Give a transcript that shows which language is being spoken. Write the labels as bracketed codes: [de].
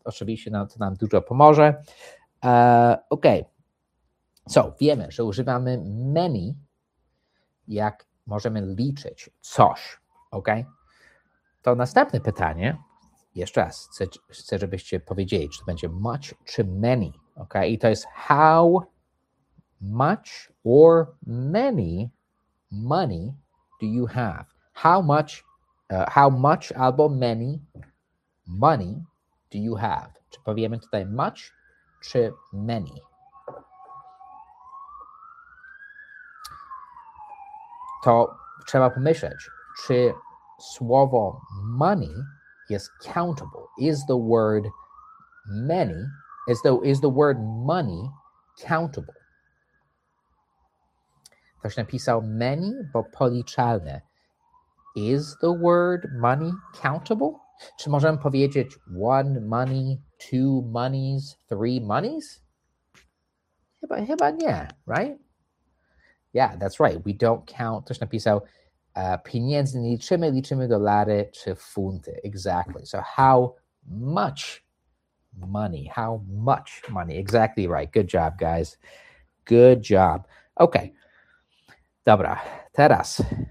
[pl] Oczywiście to nam dużo pomoże. Okej. So, wiemy, że używamy many, jak możemy liczyć coś. Okej. To następne pytanie. Jeszcze raz. Chcę, żebyście powiedzieli, czy to będzie much czy many. Okej. I to jest [en] how much or many money do you have? How much [pl] albo [en] many money do you have? [pl] Czy powiemy tutaj much czy many? To trzeba pomyśleć, czy słowo money jest countable? [en] Is the word many, is the word money countable? [pl] Ktoś napisał many, bo policzalne. [en] Is the word money countable? [pl] Czy możemy powiedzieć [en] one money, two monies, three monies? [pl] Chyba nie, [en] right? Yeah, that's right. We don't count. [pl] Ktoś napisał, pieniędzy nie liczymy, liczymy dolary czy funty. [en] Exactly. So how much money? Exactly right. Good job, guys. Good job. Okay. [pl] Dobra. Teraz.